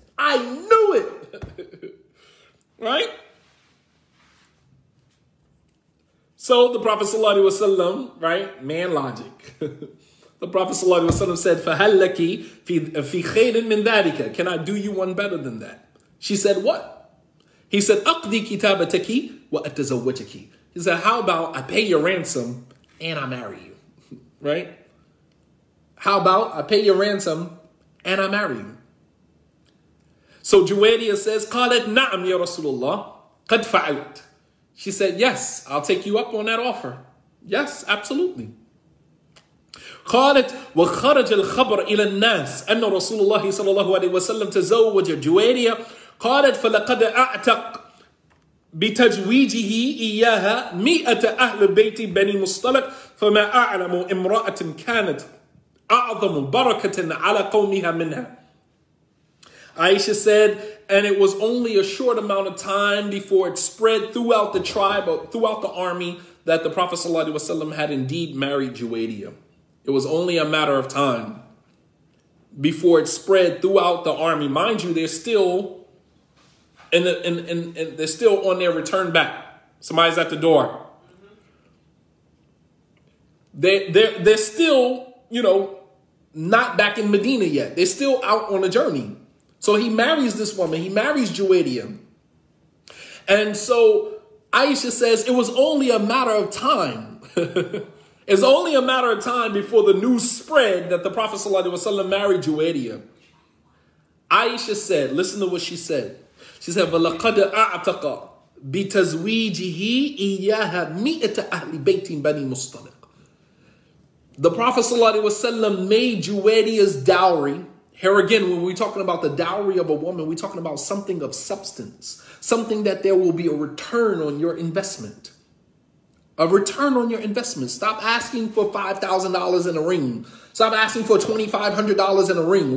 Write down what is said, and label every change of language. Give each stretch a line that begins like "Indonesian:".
English: I knew it." Right? So the Prophet sallallahu alaihi wasallam, right? Man logic. The Prophet sallallahu alaihi wasallam said,
Arabic: "فَهَلْ لَكِ فِي خَيْرٍ مِنْ ذَٰلِكَ?
English: Can I do you one better than that?" She said, "What?" He said,
Arabic: "أَقْضِي كِتَابَتَكِ وَأَتَزَوَّجَكِ."
English: He said, "How about I pay your ransom and I marry you?" Right? "How about I pay your ransom and I marry you?" So Juwayria says,
Arabic: "قَالَتْ نَعَمْ يَا رَسُولُ اللَّهِ قَدْ فَعَلْتْ."
English: She said, "Yes, I'll take you up on that offer. Yes, absolutely."
Arabic: قالت وخرج الخبر إلى الناس أن رسول الله صلى الله عليه وسلم تزوج جويريا قالت فلقد أعتق بتزويجه إياها 100 أهل بيت بني مصطلق فما أعلم امرأة كانت أعظم بركة على قومها منها.
English: Aisha said, "And it was only a short amount of time before it spread throughout the tribe, throughout the army, that the Prophet
Arabic: صلى الله عليه وسلم
English: had indeed married جويريا. It was only a matter of time before it spread throughout the army." Mind you, they're still in they're still on their return back. Somebody's at the door. They're still, you know, not back in Medina yet. They're still out on a journey. So he marries this woman. He marries Juwayria. And so Aisha says it was only a matter of time. It's only a matter of time before the news spread that the Prophet sallallahu alaihi wasallam married Juwayria. Aisha said, listen to what she said. She said,
Arabic: "وَلَقَدْ أَعْتَقَ بِتَزْوِيجِهِ إِيَّاهَا 100 أَهْلِ بَيْتٍ بَنِي مُصْطَلِقٍ."
English: The Prophet sallallahu alaihi wasallam made Juwayria's dowry. Here again, when we're talking about the dowry of a woman, we're talking about something of substance. Something that there will be a return on your investment. A return on your investment. Stop asking for $5,000 in a ring. Stop asking for $2,500 in a ring.